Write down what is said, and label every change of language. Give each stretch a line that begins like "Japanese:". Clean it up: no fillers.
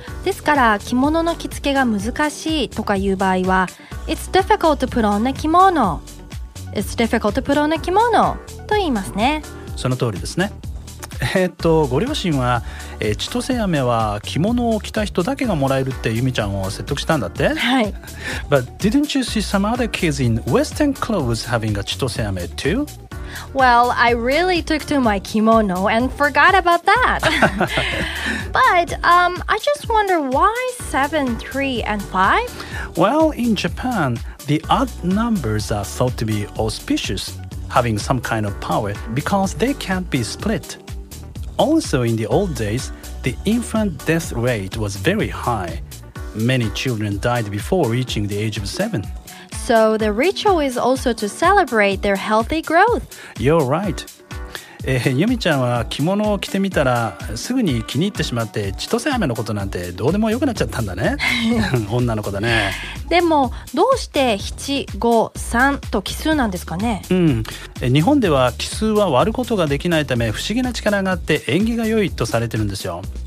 Japanese: ですから着物の着付けが難しいとかいう場合は
English: It's difficult to put on a 着物、
Japanese: It's difficult to put on a 着物と言いますね。その通りですね。ご両親は、千歳飴は着物を着た人だけがもらえるってユミちゃんを説得したんだって。はい。
English: But didn't you see some other kids in western clothes having a 千歳飴 too? Well, I really took to my kimono and forgot about that. But I just wonder why 7, 3, and 5? Well, in Japan, the odd numbers are thought to be auspicious, having some kind of power, because they can't be split. Also, in the old days, the infant death rate was very high. Many children died before reaching the age of 7. So the ritual is also to celebrate their healthy growth. You're right.
Japanese: ユミちゃんは着物を着てみたらすぐに気に入ってしまって、千歳飴のことなんてどうでもよくなっちゃったんだね。女の子だね。でもどうして七五三と奇数なんですかね。うん、日本では奇数は割ることができないため不思議な力があって縁起が良いとされてるんですよ。